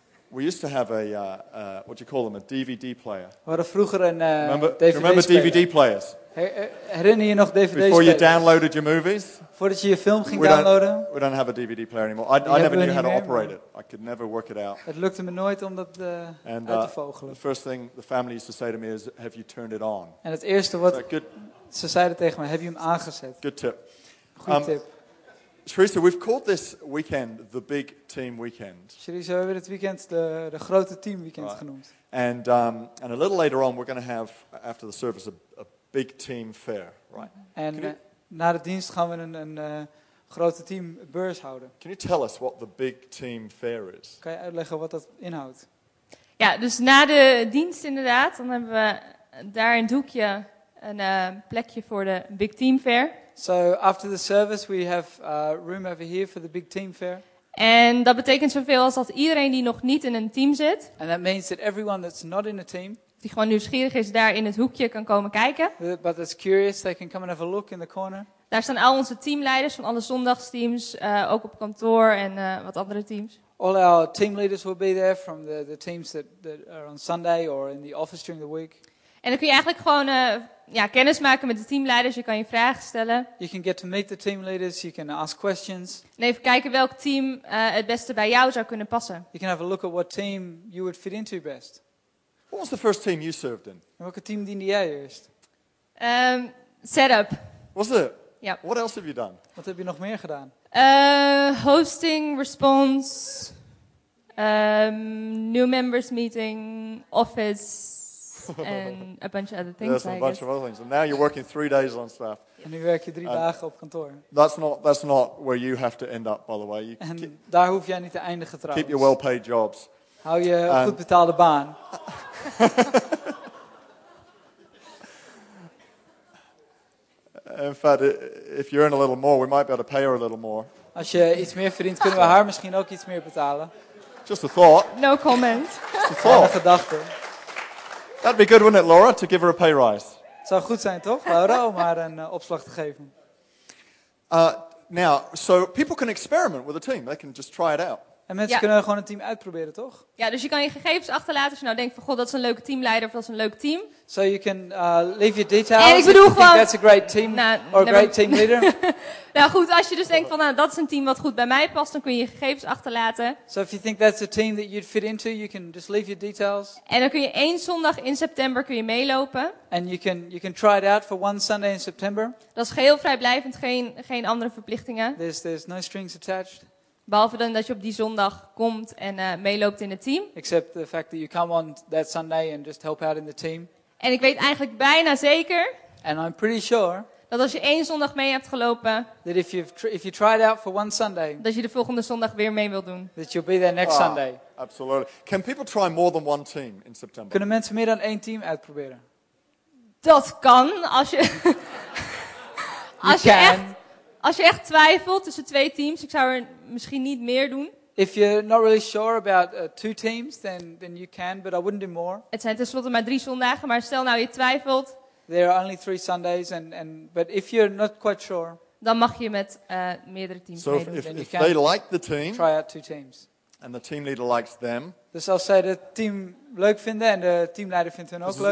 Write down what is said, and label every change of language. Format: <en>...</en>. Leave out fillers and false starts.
<en>We used to have a what do you call them? A DVD player.</en> <nl>We hadden vroeger een DVD</nl> <en>player. Remember DVD players?</en> <nl>Herinner je nog DVD's?</nl> <en>Before you downloaded your movies?</en> <nl>Voordat je je film ging downloaden?</nl> <en>We don't have a DVD player anymore. I never knew how to operate it. I could never work it out.</en> <nl>Het lukte me nooit om dat uit te vogelen.</nl> <en>The first thing the family used to say to me is, have you turned it on?</en> <nl>En het eerste wat ze zeiden tegen me, heb je hem aangezet?</nl> <en>Good tip.</en> <nl>Goede tip.</nl> <en>Charissa, we've called this weekend the Big Team Weekend.</en> <nl>Charissa, we hebben dit weekend de grote team weekend genoemd.</nl> <en>And a little later on, we're going to have after the service a big team fair, right?</en> <nl>En na de dienst gaan we een grote team beurs houden.</nl> <en>Can you tell us what the big team fair is?</en> <nl>Kan je uitleggen wat dat inhoudt? Ja, dus na de dienst inderdaad, dan hebben we daar in het hoekje een plekje voor de big team fair.</nl> <en>So after the service we have a room over here for the big team fair.</en> <nl>En dat betekent zoveel als dat iedereen die nog niet in een team zit.</nl> <en>And that means that everyone that's not in a team.</en> <nl>Die gewoon nieuwsgierig is daar in het hoekje kan komen kijken.</nl> <en>But that's curious, they can come and have a look in the corner.</en> <nl>Daar staan al onze teamleiders van alle zondagsteams, ook op kantoor en wat andere teams.</nl> <en>All our team leaders will be there from the teams that are on Sunday or in the office during the week.</en> <nl>En dan kun je eigenlijk gewoon kennis maken met de teamleiders. Je kan je vragen stellen.</nl> <en>You can get to meet the team leaders. You can ask questions.</en> <nl>En even kijken welk team het beste bij jou zou kunnen passen.</nl> <en>You can have a look at what team you would fit into best. What was the first team you served in?</en> <nl>En welke team diende jij eerst?</nl> <en>Setup. Was it? Ja. Yep. What else have you done?</en> <nl>Wat heb je nog meer gedaan?</nl> <en>Hosting, response, new members meeting, office. And a bunch of other things. There's a bunch of other things. And now you're working 3 days on staff.</en> <nl>En nu werk je 3 dagen op kantoor.</nl> <en>That's not where you have to end up, by the way.</en> <nl>Daar hoef jij niet te eindigen trouwens.</nl> <en>Keep your well-paid jobs.</en> <nl>Hou je goed betaalde baan.</nl> <en>In fact, if you earn a little more, we might be able to pay her a little more.</en> <nl>Als je iets meer verdient, kunnen we haar misschien ook iets meer betalen.</nl> <en>Just a thought. No comment. Just a thought.</en> <nl>Een gedachte.</nl> <en>That'd be good, wouldn't it, Laura, to give her a pay rise?</en> <nl>Zou goed zijn, toch, Laura, om haar een opslag te geven.</nl> <en>Now, so people can experiment with a team. They can just try it out.</en> <nl>En mensen kunnen gewoon een team uitproberen, toch? Ja, dus je kan je gegevens achterlaten als je nou denkt van god, dat is een leuke teamleider of dat is een leuk team.</nl> <en>So you can leave your details.</en> <nl>En ik bedoel gewoon.</nl> <en>That's a great team or a great team leader.</en> <nl>Nou goed, als je dus denkt van nou, dat is een team wat goed bij mij past, dan kun je je gegevens achterlaten.</nl> <en>So if you think that's a team that you'd fit into, you can just leave your details.</en> <nl>En dan kun je één zondag in september kun je meelopen.</nl> <en>And you can try it out for one Sunday in September.</en> <nl>Dat is geheel vrijblijvend, geen andere verplichtingen.</nl> <en>There's no strings attached.</en> <nl>Behalve dan dat je op die zondag komt en meeloopt in het team.</nl> <en>Except the fact that you come on that Sunday and just help out in the team.</en> <nl>En ik weet eigenlijk bijna zeker.</nl> <en>And I'm pretty sure.</en> <nl>Dat als je één zondag mee hebt gelopen.</nl> <en>That if you tried out for one Sunday.</en> <nl>Dat je de volgende zondag weer mee wilt doen.</nl> <en>That you'll be there next Sunday. Absolutely. Can people try more than one team in September?</en> <nl>Kunnen mensen meer dan één team uitproberen? Dat kan als je. als</nl> <en>you</en> <nl>je</nl> <en>can.</en> <nl>Echt. Als je echt twijfelt tussen twee teams, ik zou er misschien niet meer doen.</nl> <en>If you're not really sure about two teams, then you can, but I wouldn't do more.</en> <nl>Het zijn tenslotte maar drie zondagen, maar stel nou je twijfelt.</nl> <en>There are only three Sundays, and but if you're not quite sure.</en> <nl>Dan mag je met meerdere teams meedoen.</nl> <en>So if they like the team, try out two teams. And the team leader likes them.</en> <nl>Dus als zij het team leuk vinden en de teamleider vindt hen ook leuk.</nl>